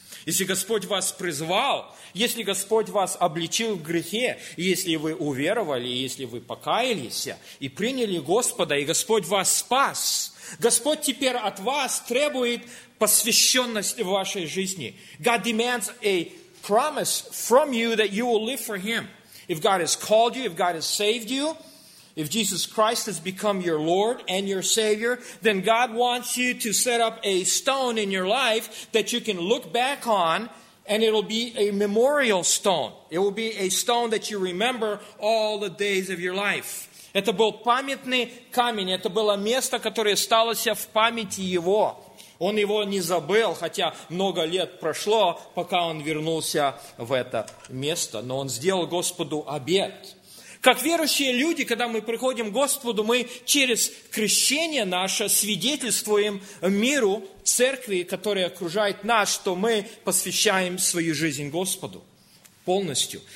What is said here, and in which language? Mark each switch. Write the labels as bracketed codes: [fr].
[ru] Если Господь вас призвал, если Господь вас обличил в грехе, если вы уверовали, если вы покаялись и приняли Господа, и Господь вас спас, Господь теперь от вас требует посвященность в вашей жизни. [en] God demands a promise from you that you will live for Him. If God has called you, if God has saved you, if Jesus Christ has become your Lord and your Savior, then God wants you to set up a stone in your life that you can look back on, and it'll be a memorial stone. It will be a stone that you remember all the days of your life. [ru] Это был памятный камень. Это было место, которое осталось в памяти его. Он его не забыл, хотя много лет прошло, пока он вернулся в это место. Но он сделал Господу обет. Как верующие люди, когда мы приходим к Господу, мы через крещение наше свидетельствуем миру, церкви, которая окружает нас, что мы посвящаем свою жизнь Господу полностью.